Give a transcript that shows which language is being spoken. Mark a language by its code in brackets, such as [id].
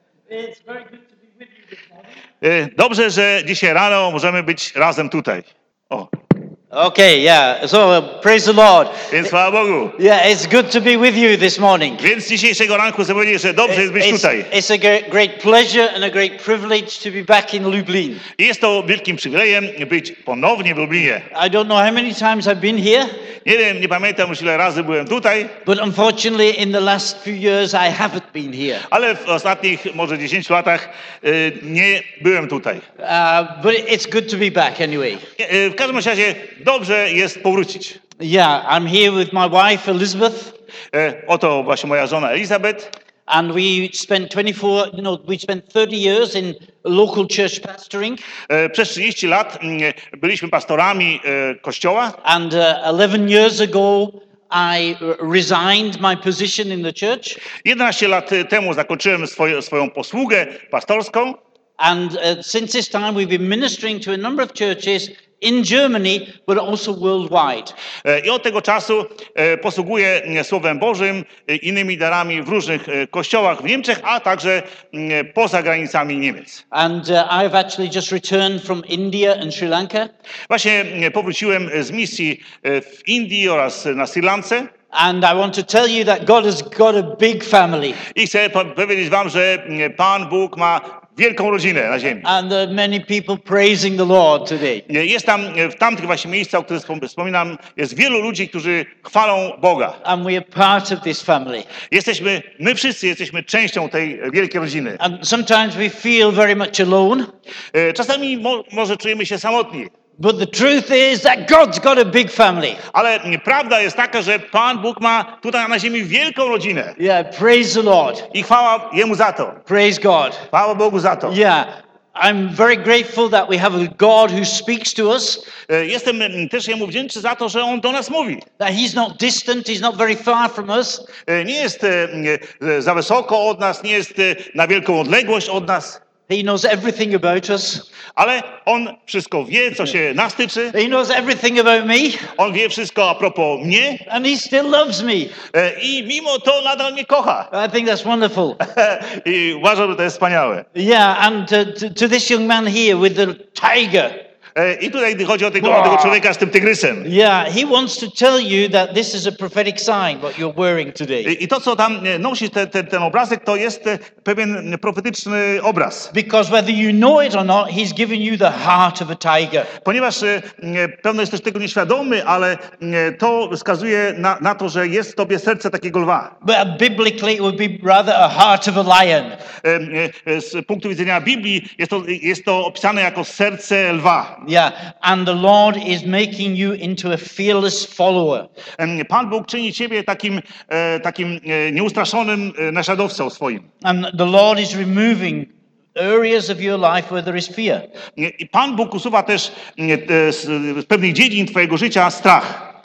[en] It's very good to be with you this morning. [pl] Dobrze, że dzisiaj rano możemy być razem tutaj. O. [en] Okay, yeah. So, praise the Lord. [pl] Więc chwała Bogu. [en] Yeah, it's good to be with you this morning. [pl] Więc dzisiejszego ranku chcę powiedzieć, że dobrze jest być tutaj. [en] It's a great pleasure and a great privilege to be back in Lublin. [pl] I jest to wielkim przywilejem być ponownie w Lublinie. [en] I don't know how many times I've been here. [pl] Nie wiem, nie pamiętam, już ile razy byłem tutaj. [en] But unfortunately, in the last few years, I haven't been here. [pl] Ale w ostatnich może 10 latach nie byłem tutaj. [en] But it's good to be back anyway. [pl] W każdym razie dobrze jest powrócić. [en] Yeah, I'm here with my wife Elizabeth. [pl] Oto właśnie moja żona Elizabeth. [en] And we spent 24, no, we spent 30 years in local church pastoring. [pl] Przez 30 lat byliśmy pastorami kościoła. [en] And 11 years ago I resigned my position in the church. [pl] 11 lat temu zakończyłem swoją posługę pastorską. [en] And since this time we've been ministering to a number of churches in Germany, but also worldwide. [pl] I od tego czasu posługuję Słowem Bożym, innymi darami w różnych kościołach w Niemczech, a także poza granicami Niemiec. [en] And I've actually just returned from India and Sri Lanka. [pl] Właśnie powróciłem z misji w Indii oraz na Sri Lance. [en] And I want to tell you that God has got a big family. [pl] I chcę powiedzieć wam, że Pan Bóg ma wielką rodzinę na ziemi. [en] And many people praising the Lord today. [pl] Jest tam, w tamtych właśnie miejscach, o których wspominam, jest wielu ludzi, którzy chwalą Boga. [en] And we are part of this family. [pl] Jesteśmy, my wszyscy jesteśmy częścią tej wielkiej rodziny. [en] And sometimes we feel very much alone. [pl] Czasami może czujemy się samotni. [en] But the truth is that God's got a big family. [pl] Ale prawda jest taka, że Pan Bóg ma tutaj na ziemi wielką rodzinę. [en] Yeah, praise the Lord. [pl] I chwała Jemu za to. [en] Praise God. [pl] Chwała Bogu za to. [en] Yeah. I'm very grateful that we have a God who speaks to us. [pl] Jestem też Jemu wdzięczny za to, że On do nas mówi. [en] That he's not distant, he's not very far from us. [pl] Nie jest za wysoko od nas, nie jest na wielką odległość od nas. [en] He knows everything about us. [pl] Ale on wszystko wie, co się nas tyczy. [en] He knows everything about me. [pl] On wie wszystko a propos mnie. [en] And he still loves me. [pl] I mimo to nadal mnie kocha. [en] I think that's wonderful. [pl] I uważam, że to jest wspaniałe. [en] Yeah, and to this young man here with the tiger. [pl] I tutaj chodzi o tego człowieka z tym tygrysem. [en] Yeah, he wants to tell you that this is a prophetic sign what you're wearing today. [pl] I to co tam nosi ten obrazek, to jest pewien profetyczny obraz. [en] Because whether you know it or not, he's giving you the heart of a tiger. [pl] Ponieważ pewno jesteś tego nieświadomy, ale to wskazuje na to, że jest w tobie serce takiego lwa. [en] But biblically it would be rather a heart of a lion. [pl] Z punktu widzenia Biblii jest to opisane jako serce lwa. [en] Yeah, and the Lord is making you into a fearless follower. [pl] Pan Bóg czyni ciebie takim nieustraszonym naśladowcą swoim. [en] And the Lord is removing areas of your life where there is fear. [pl] I Pan Bóg usuwa też z pewnych dziedzin twojego życia strach.